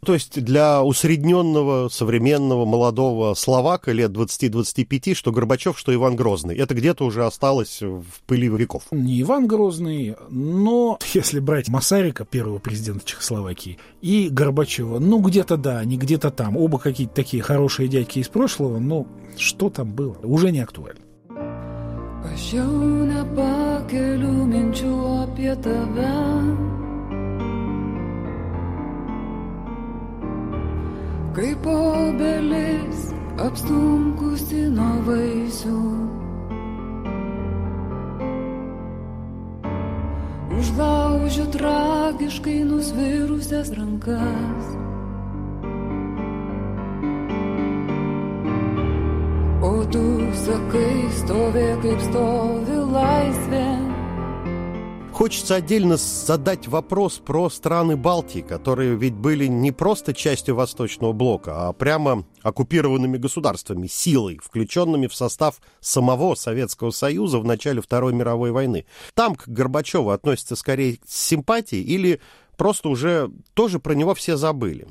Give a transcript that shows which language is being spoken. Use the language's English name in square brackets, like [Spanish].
[Russian] То есть для усредненного, современного, молодого словака лет 20-25, что Горбачев, что Иван Грозный, это где-то уже осталось в пыли веков. Не Иван Грозный, но если брать Масарика, первого президента Чехословакии, и Горбачева, ну, где-то да, они где-то там. Оба какие-то такие хорошие дядьки из прошлого, но что там было, уже не актуально. [Lithuanian] Aš jau nepakeliu minčių apie tave. Kaip obelis apstumkusi nuo vaisių. Užlaužiu tragiškai nusvirusias rankas. O tu sakai, stovėk, kaip stovi laisvė. [Russian] Хочется отдельно задать вопрос про страны Балтии, которые ведь были не просто частью Восточного блока, а прямо оккупированными государствами, силой, включенными в состав самого Советского Союза в начале Второй мировой войны. Там к Горбачеву относятся скорее с симпатией или просто уже тоже про него все забыли.